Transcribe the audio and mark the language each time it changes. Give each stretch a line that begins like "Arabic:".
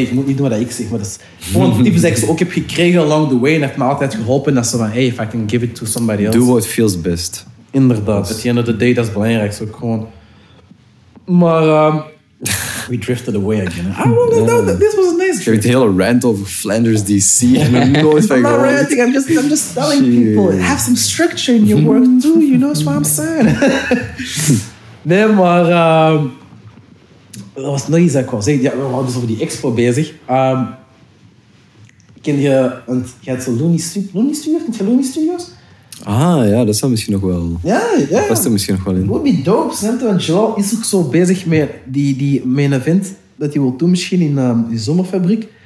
Dutch: Je moet niet doen wat ik zeg. Maar dat is gewoon het type dat ik ze ook heb gekregen
English: along the way.
Dutch: En heeft me altijd geholpen. Dat ze van,
English: hey, if I can give it to somebody else. Do what feels best. Inderdaad. At the end of the day,
Dutch: dat is belangrijk. Zo gewoon. Maar...
English: We drifted away again. This was a nice trip.
Dutch: Je hebt een hele rant over Flanders DC.
English: I'm not ranting, I'm just telling people, have some structure in your work too, you know what I'm saying?
Dutch: Nee, maar... dat was nog iets dat ik wou zeggen. Ja, we waren dus over die expo bezig. Ken je... Want je had zo'n Looney Studios? Ken je Looney Studios? Ah, ja, dat zou misschien nog wel... Ja, ja. Dat past er misschien nog wel in.
English: Would be dope,
Dutch: snap je? Want Joel is ook zo bezig met die main event dat hij wil doen misschien in die Zomerfabriek.